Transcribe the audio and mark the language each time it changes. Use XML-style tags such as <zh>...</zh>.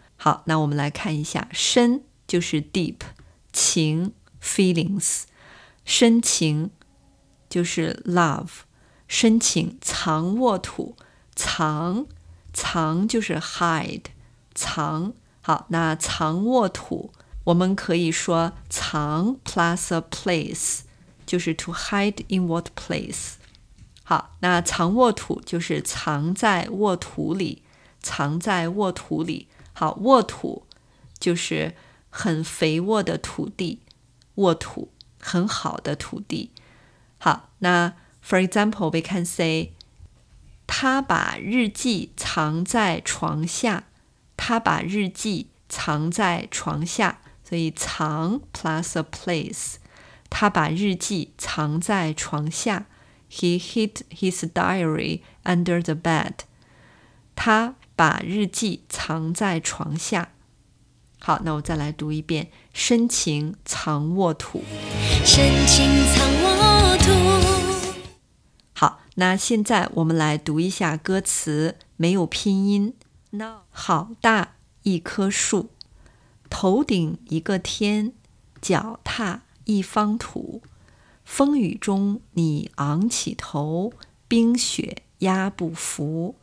<zh>好，那我们来看一下，深就是 deep, 情 feelings, 深情就是 love, 深情藏沃土，藏，藏就是 hide, 藏。好，那藏沃土我们可以说藏 plus a place, 就是</zh> <en>to hide in what place。</en> <zh>好，那藏沃土就是藏在沃土里，藏在沃土里。好，沃土就是很肥沃的土地，沃土很好的土地。好，那</zh> <en>for example we can say,</en> <zh>他把日记藏在床下，他把日记藏在床下。所以藏 plus a place, 他把日记藏在床下。</zh> <en>He hid his diary under the bed,</en> <zh>他把日记藏在床下。好，那我再来读一遍，深情藏沃土，深情藏沃土。好，那现在我们来读一下歌词，没有拼音。</zh> <en>No.</en> <zh>好大一棵树，头顶一个天，脚踏一方土，风雨中你昂起头，冰雪压不服。</zh>